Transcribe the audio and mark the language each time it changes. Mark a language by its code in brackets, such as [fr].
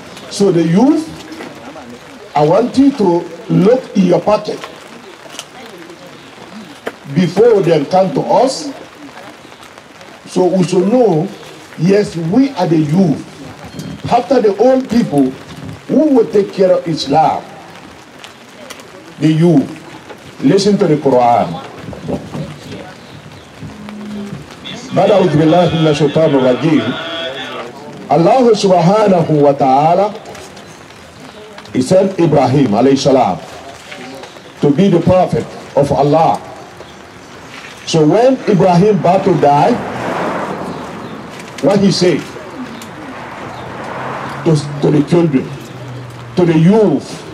[en] So the youth, I want you to look in your pocket before they come to us. So we should know, yes, we are the youth. After the old people, who will take care of Islam? The youth. Listen to the Quran. [ar] أعوذ بالله من الشيطان الرجيم. [en] الله سبحانه وتعالى he sent Ibrahim عليه السلام to be the prophet of Allah. So when Ibrahim about to die, what he said to the children, to the youth.